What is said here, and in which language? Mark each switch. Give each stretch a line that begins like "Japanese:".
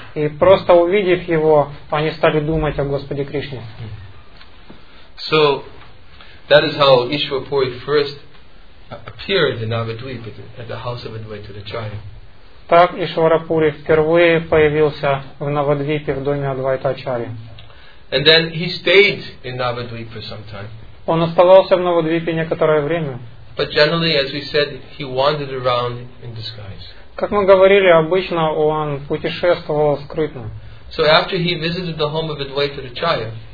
Russian: И просто увидев его, они стали думать о Господе Кришне.
English: So that is how Ishwarapuri first appeared in Navadvip at the house of Advaitacharya.
Russian: Так Ишварапури впервые появился в Навадвипе в доме Адвайтачарьи.
English: And then he stayed in Navadvip for some time.
Russian: Он оставался в Навадвипе некоторое время.
English: But generally, as we said, he wandered around in disguise.
Russian: Как мы говорили, обычно он путешествовал скрытно.
English: So after he visited the home of Advaitacharya,